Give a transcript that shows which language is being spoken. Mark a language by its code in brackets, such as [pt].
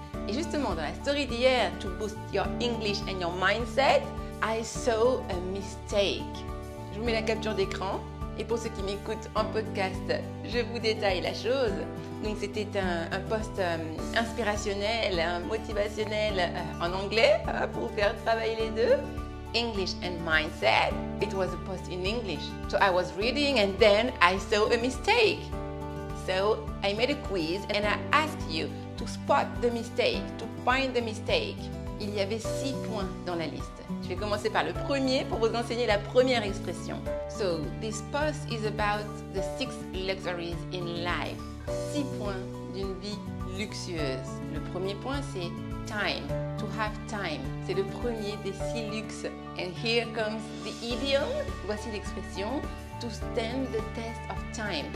[fr] Et justement, dans la story d'hier, [en] to boost your English and your mindset, I saw a mistake. [fr] Je vous mets la capture d'écran. Et pour ceux qui m'écoutent en podcast, je vous détaille la chose. Donc, c'était un post inspirationnel, motivationnel en anglais pour faire travailler les deux. [en] English and mindset. It was a post in English. So, I was reading and then I saw a mistake. So, I made a quiz and I asked you to spot the mistake, to find the mistake. [fr] Il y avait 6 points dans la liste. Je vais commencer par le premier pour vous enseigner la première expression. [en] So, this post is about the 6 luxuries in life. [fr] 6 points d'une vie luxueuse. Le premier point, c'est time, to have time. C'est le premier des 6 luxes. [en] And here comes the idiom. [fr] Voici l'expression, [en] to stand the test of time.